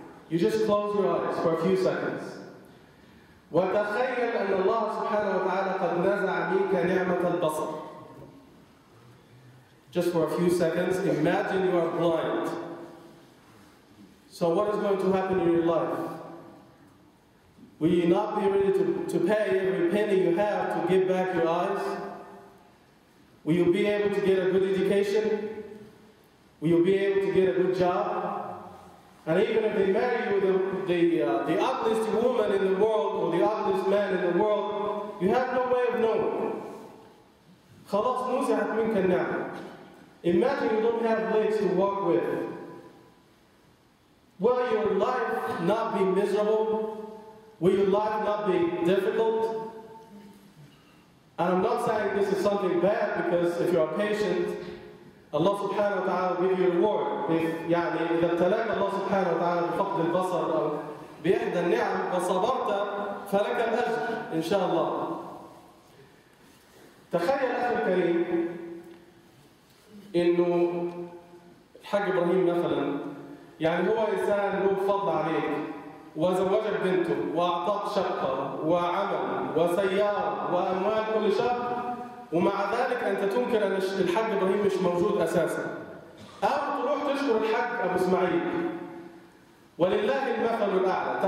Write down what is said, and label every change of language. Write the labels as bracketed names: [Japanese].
[English] You just close your eyes for a few seconds. [Arabic] وتخيل أن الله سبحانه وتعالى قد نزع منك نعمة البصر. [English] Just for a few seconds, imagine you are blind. So what is going to happen in your life? Will you not be ready to pay every penny you have to give back your eyes? Will you be able to get a good education? Will you be able to get a good job? And even if they marry you with the ugliest woman in the world or the ugliest man in the world, you have no way of knowing. [Arabic] خلاص نزعت منك النعمة. [English] Imagine you don't have legs to walk with. Will your life not be miserable? Will your life not be difficult? And I'm not saying this is something bad, because if you are patient, Allah subhanahu wa ta'ala will give you reward. If [Arabic] يعني إذا ابتلاك الله سبحانه وتعالى بفقد البصر أو بإحدى النعم وصبرت فلك الأجر إن شاء الله. تخيل أخي الكريم إنه الحاج إبراهيم مثلا يعني هو إنسان له فضل عليك وزوجك بنته وأعطاك شقة وعمل وسيارة وأموال كل شهر ومع ذلك أنت تنكر أن الحاج إبراهيم مش موجود أساسا أو تروح تشكر الحاج أبو إسماعيل ولله المثل الأعلى.